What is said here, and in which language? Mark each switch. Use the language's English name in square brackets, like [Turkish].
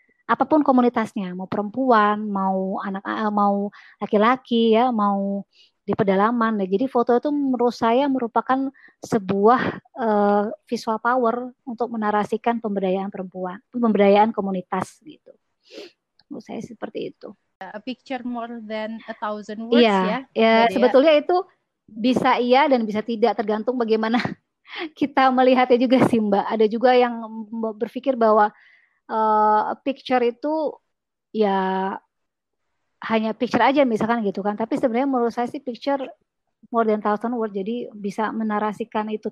[Indonesian] Apapun komunitasnya, mau perempuan, mau anak, mau laki-laki ya, mau di pedalaman. Nah, jadi foto itu menurut saya merupakan sebuah visual power untuk menarasikan pemberdayaan perempuan, pemberdayaan komunitas gitu. Menurut saya seperti itu. [English] A picture more than 1,000 words [Indonesian] ya. Sebetulnya itu bisa iya dan bisa tidak, tergantung bagaimana kita melihatnya juga sih Mbak. Ada juga yang berpikir bahwa picture itu ya hanya picture aja misalkan gitu kan. Tapi sebenarnya menurut saya sih [English] picture more than 1,000 words, [Indonesian] jadi bisa menarasikan itu.